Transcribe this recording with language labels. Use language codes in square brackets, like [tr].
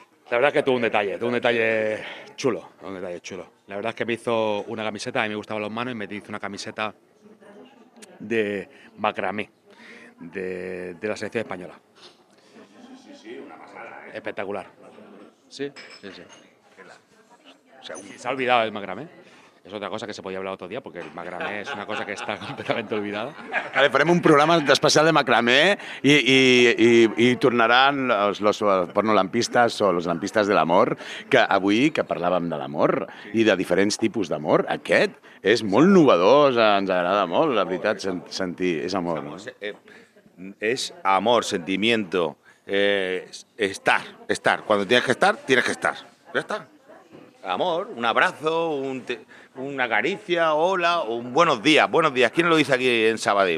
[es] La verdad es que tuvo un detalle chulo. La verdad es que me hizo una camiseta, a mí me gustaban los manos, y me hizo una camiseta de macramé, de la selección española. Espectacular. Sí, sí, sí. O sea, se ha olvidado el macramé. Es otra cosa que se podía hablar otro día, porque el macramé es una cosa que está completamente olvidada. [ca] Vale, farem un programa especial de macramé i tornaran els pornolampistes o els lampistes de l'amor, que avui que parlàvem de l'amor i de diferents tipus d'amor, aquest és molt novador, ens agrada molt, la veritat, sentir, és amor. No? És amor, [es] sentimiento, estar. Cuando tienes que estar, tienes que estar. Ya está. Amor, un abrazo, una caricia, hola, un buenos días. Buenos días. ¿Quién lo dice aquí en Sabadell?